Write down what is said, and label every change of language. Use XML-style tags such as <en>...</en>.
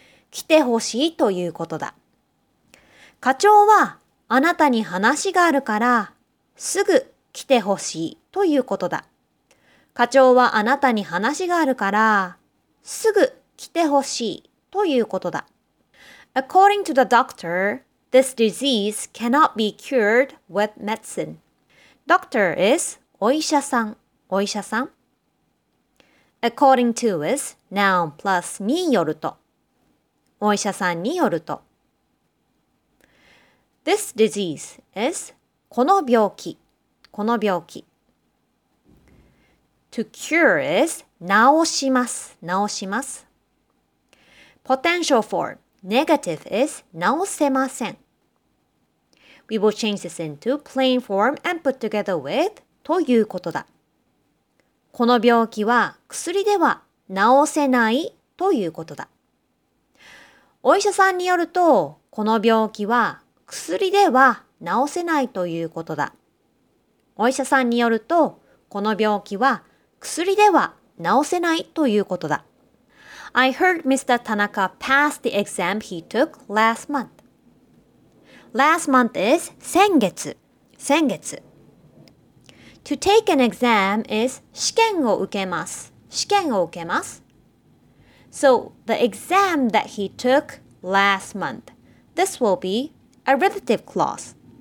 <ja>来てほしいということだ。課長はあなたに話があるからすぐ来てほしいということだ。課長はあなたに話があるからすぐ来てほしいということだ。</ja> <en>According to the doctor, this disease cannot be cured with medicine. Doctor is</en> <ja>お医者さん、お医者さん。</ja> <en>According to is noun plus</en> <ja>によると、お医者さんによると。</ja> <en>This disease is</en> <ja>この病気、この病気。</ja> <en>To cure is</en> <ja>治します、治します。</ja> <en>Potential for negative is</en> <ja>治せません。</ja> <en>We will change this into plain form and put together with ということだ。</en> <ja>この病気は薬では治せないということだ。お医者さんによると、この病気は薬では治せないということだ。お医者さんによると、この病気は薬では治せないということだ。</ja> <en>I heard Mr. Tanaka pass the exam he took last month. Last month is</en> <ja>先月、先月。</ja> <en>To take an exam is</en> <ja>試験を受けます、試験を受けます。</ja> <en>So, the exam that he took last month, this will be a relative clause.</en>